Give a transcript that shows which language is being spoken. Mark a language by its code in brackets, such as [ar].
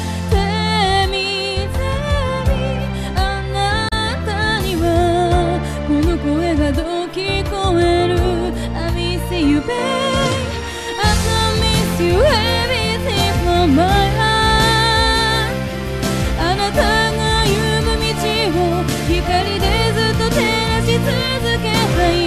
[en] Tell me, tell me, [ja] あなたにはこの声がどう聞こえる。 [en] I miss you babe, I don't miss you, everything on my heart. [ja] あなたが歩む道を光でずっと照らし続けたい。